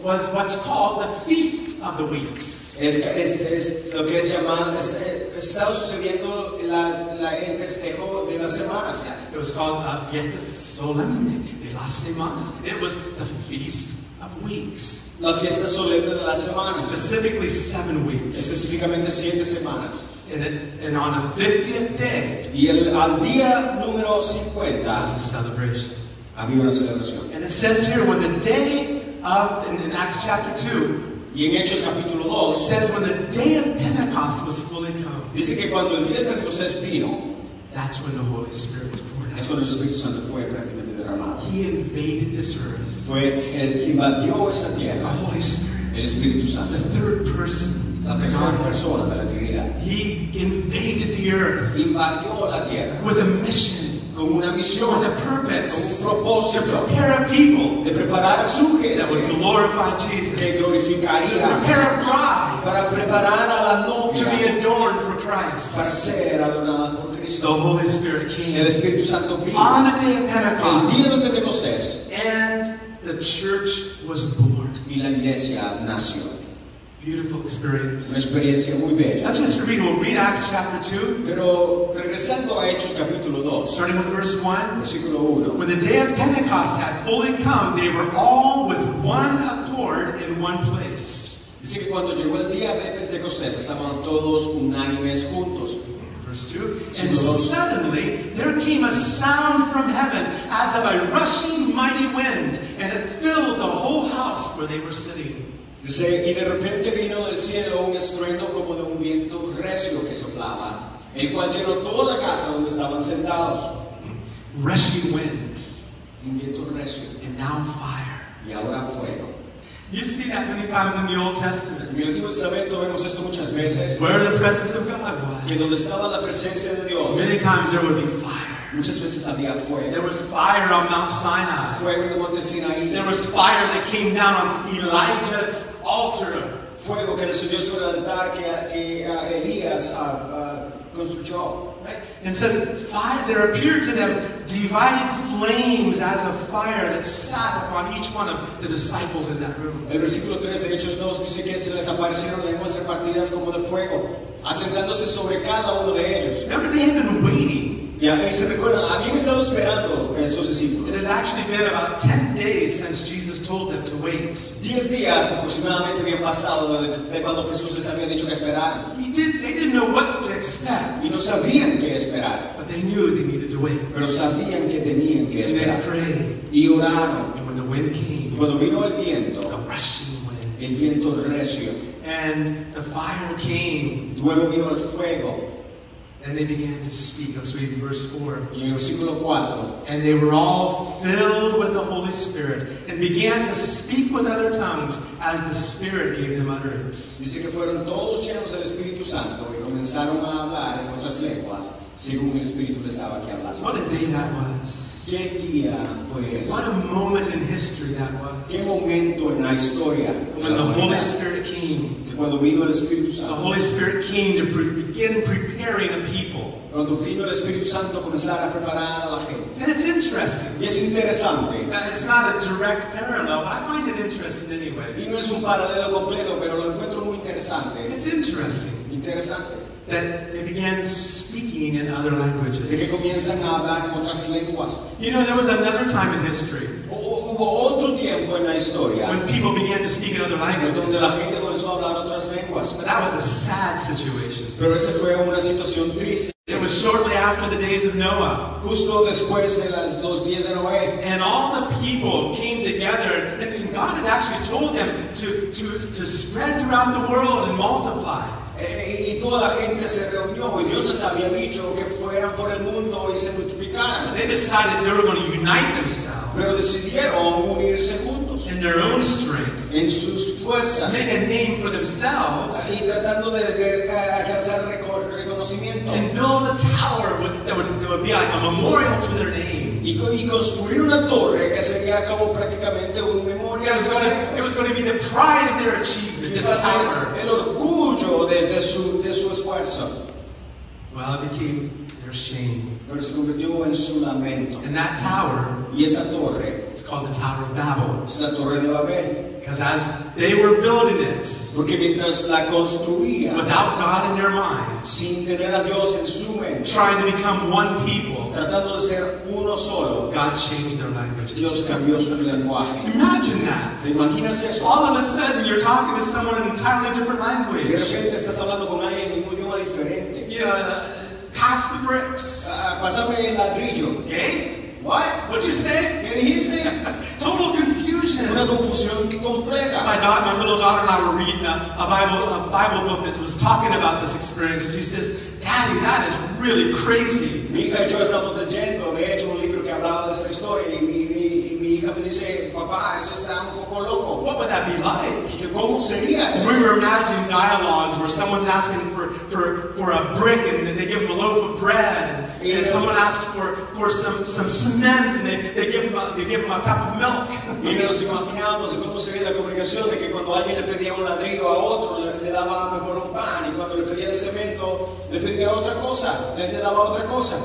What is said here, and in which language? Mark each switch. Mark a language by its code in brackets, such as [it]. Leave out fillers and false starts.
[en] was what's called the Feast of the Weeks. [es] Es lo que es llamado está sucediendo el festejo de las semanas. [en] Yeah. It was called the [es] Fiesta Solemne de las Semanas. [en] It was the Feast of Weeks. [es] La Fiesta Solemne de las Semanas. [en] Specifically 7 weeks. [es] Específicamente 7 semanas. [en] And on the 50th day. [es] Y el al día número 50 [en] is a celebration. [es] Había una celebración. [en] And it says here when the day of in Acts chapter 2, [es] y en Hechos capítulo 2, [en] it says when the day of Pentecost was fully come. [es] Dice que cuando el día de Pentecostés vino, [en] that's when the Holy Spirit was poured out. [es] Es cuando el Espíritu Santo fue prácticamente derramado. [en] He invaded this earth. [es] Fue el que invadió esa tierra. [en] The Holy Spirit. [es] El Espíritu Santo. [en] The third person. [es] La tercera persona de la Trinidad. [en] He invaded the earth. [es] Invadió la tierra. [en] With a mission. [es] Con una misión, [en] with a purpose, [es] con un propósito, [en] to prepare a people, [es] de preparar a su gente, [en] that would glorify Jesus, [es] que glorificaría, [en] to prepare a bride, [es] para preparar a la novia, [en] to be adorned for Christ, [es] para ser adornada por Cristo. [en] The Holy Spirit came, [es] el Espíritu Santo vino, [en] on the day of Pentecost, [es] el día de Pentecostés, [en] and the church was born, [es] y la iglesia nació. [en] Beautiful experience. [es] Una experiencia muy bella. [en] Let's just read. We'll read Acts chapter 2. [es] Pero regresando a Hechos capítulo 2. [en] Starting with verse 1. [es] Versículo 1. [en] When the day of Pentecost had fully come, they were all with one accord in one place. [es] Dice que cuando llegó el día de Pentecostés, estaban todos unánimes juntos. [en] Verse 2. And suddenly there came a sound from heaven as of a rushing mighty wind, and it filled the whole house where they were sitting. [es] Dice, y de repente vino del cielo un estruendo como de un viento recio que soplaba, el cual llenó toda la casa donde estaban sentados. [en] Rushing winds. [es] Un viento recio. [en] And now fire. [es] Y ahora fuego. [en] You see that many times in the Old Testament. [es] En el Antiguo Testamento vemos esto muchas veces. [en] Where the presence of God was. [es] Que donde estaba la presencia de Dios. [en] Many times there would be fire. [es] Muchas veces había fuego. [en] There was fire on Mount Sinai. [es] Fuego en el monte Sinaí. [en] There was fire that came down on Elijah's altar. [es] Fuego que descendió sobre el altar que Elías construyó. [en] Right? And it says, fire, there appeared to them divided flames as of fire that sat upon each one of the disciples in that room. [es] El versículo 3 de Hechos 2 dice que se les aparecieron lenguas repartidas como de fuego, asentándose sobre cada uno de ellos. [en] Remember, they had been waiting. [es] Yeah, y se recuerda, habían estado esperando a estos discípulos. [en] It had actually been about 10 days since Jesus told them to wait. [es] 10 días aproximadamente habían pasado de cuando Jesús les había dicho que esperaran. [en] They didn't know what to expect. [es] Y no sabían qué esperar. [en] But they knew they needed to wait. [es] Pero sabían que tenían que esperar. [en] And they prayed. [es] Y oraron. [en] And when the wind came, [es] cuando vino el viento, [en] the rushing wind, [es] el viento recio, [en] and the fire came, [es] luego vino el fuego. [en] And they began to speak. Let's read verse 4. [es] Y en versículo 4. [en] And they were all filled with the Holy Spirit and began to speak with other tongues as the Spirit gave them utterance. [es] Dice que fueron todos llenos del Espíritu Santo y comenzaron a hablar en otras lenguas según el Espíritu les daba que hablasen. [en] What a day that was. [es] ¿Qué día fue eso? [en] What a moment in history that was. [es] ¿Qué momento en la historia? [en] When the Holy Spirit came. [es] Cuando vino el Espíritu Santo. [en] The Holy Spirit came to begin preparing a people. [es] Cuando vino el Espíritu Santo comenzar a preparar a la gente. [en] And it's interesting. [es] Y es interesante. [en] It's not a direct parallel, but I find it interesting anyway. [es] Y no es un paralelo completo, pero lo encuentro muy interesante. [en] It's interesting. [es] Interesante. [en] That they began speaking in other languages. [es] De que comienzan a hablar en otras lenguas. [en] You know, there was another time in history. [es] Hubo otro tiempo en la historia. [en] When people began to speak in other languages. [es] Donde la gente comenzó a hablar otras lenguas. [en] But that was a sad situation. [es] Pero esa fue una situación triste. [en] It was shortly after the days of Noah. [es] Justo después de los días de Noé. [en] And all the people came together, and God had actually told them to spread throughout the world and multiply. [es] Y toda la gente se reunió y Dios les había dicho que fueran por el mundo y se multiplicaran. [en] They decided they were going to unite themselves. [es] Pero decidieron unirse juntos. [en] In their own strength. [es] En sus fuerzas. [en] Make a name for themselves. [es] Y tratando de alcanzar reconocimiento. [en] And build a tower that would be like a memorial to their name. [es] Y construir una torre que sería como prácticamente un memorial. [en] It was going to be the pride of their achievement. This [es] is el orgullo de su esfuerzo. [en] Well, it became their shame. [es] Pero se convirtió en su lamento. [en] And that tower, [es] y esa torre, [en] is called the Tower of Babel. [es] Es la torre de Babel. [en] Because as they were building it, [es] porque mientras la construían, [en] without God in their mind, [es] sin tener a Dios en su mente, [en] trying to become one people, [es] tratando de ser uno solo, [en] God changed their language. [es] Dios cambió su lenguaje. [en] Imagine that. [es] ¿Te imaginas eso? [en] All of a sudden, you're talking to someone in an entirely different language. [es] De repente estás hablando con alguien en un idioma diferente. [en] Pass the bricks. [es] Pásame el ladrillo. [en] Okay. What? What'd you say? Yeah, he's saying total confusion. [es] Una confusión completa. [en] My little daughter and I were reading a Bible book that was talking about this experience. And she says, "Daddy, that is really crazy." [es] Mi hija y yo estamos leyendo, de hecho, un libro que hablaba de esta historia. Y mi hija me dice, "Papá, eso está un poco loco." [en] What would that be like? [es] ¿Cómo sería? [en] We were imagining dialogues where someone's asking for a brick and they give them a loaf of bread. And yeah. Someone asks for some cement, and they give them a cup of milk. [es] Y nos imaginamos cómo sería la comunicación de que cuando alguien le pedía un ladrillo a otro, le daba mejor un pan, y cuando le pedía el cemento, le pedía otra cosa, le daba otra cosa.